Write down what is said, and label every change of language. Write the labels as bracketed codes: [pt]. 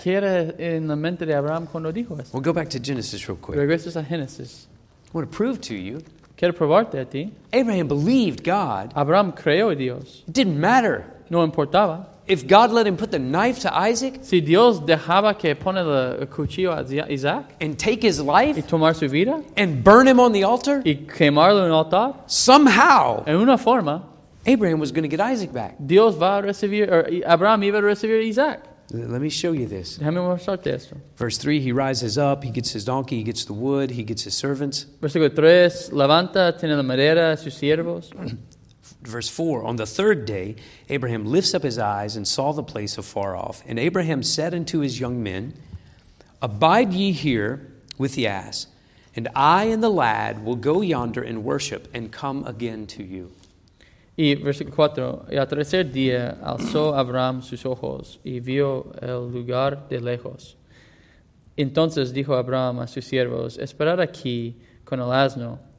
[es] ¿Qué era en la mente de Abraham cuando dijo eso? [en] We'll go back to Genesis real quick. [es] Regresas a Génesis. [en] I want to prove to you. [es] Quiero probarte a ti. [en] Abraham believed God. [es] Abraham creyó en Dios. [en] It didn't matter. [es] No importaba. [en] If God let him put the knife to Isaac, [es] si Dios dejaba que pone el cuchillo a Isaac, [en] and take his life, [es] y tomar su vida, [en] and burn him on the altar, [es] y quemarlo en el altar, [en] somehow, [es] en una forma, [en] Abraham was going to get Isaac back. [es] Dios va a recibir, or Abraham iba a recibir Isaac. [en] Let me show you this. [es] Déjame mostrarte esto. [en] Verse 3, he rises up, he gets his donkey, he gets the wood, he gets his servants. [es] Versículo 3, levanta, tiene la madera, sus siervos. [en] Verse 4, on the third day, Abraham lifts up his eyes and saw the place afar off. And Abraham said unto his young men, abide ye here with the ass, and I and the lad will go yonder and worship and come again to you. [es] Y versículo 4, y al tercer día alzó Abraham sus ojos y vio el lugar de lejos. Entonces dijo Abraham a sus siervos, esperad aquí con el asno.